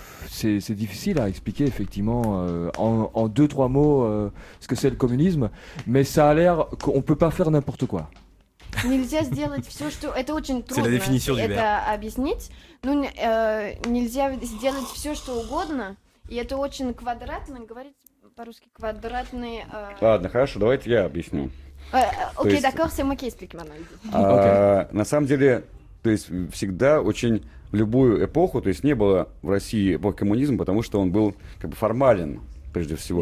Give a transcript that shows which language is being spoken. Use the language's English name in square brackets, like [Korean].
[French] C'est difficile à expliquer, effectivement, en deux, trois mots, ce que c'est le communisme. Mais ça a l'air qu'on ne peut pas faire n'importe quoi. [Russian] Нельзя сделать все, что... Это очень трудно. [French] C'est la définition du verbe. [Russian] Объяснить. Нельзя сделать все, что угодно. И это очень квадратно. Говорить по-русски квадратный... Ладно, хорошо, давайте я объясню. [French] Окей, d'accord, c'est moi qui explique maintenant. [Russian] На самом деле, то есть всегда очень... В любую эпоху, то есть не было в России эпохи коммунизма, потому что он был как бы формален, прежде всего.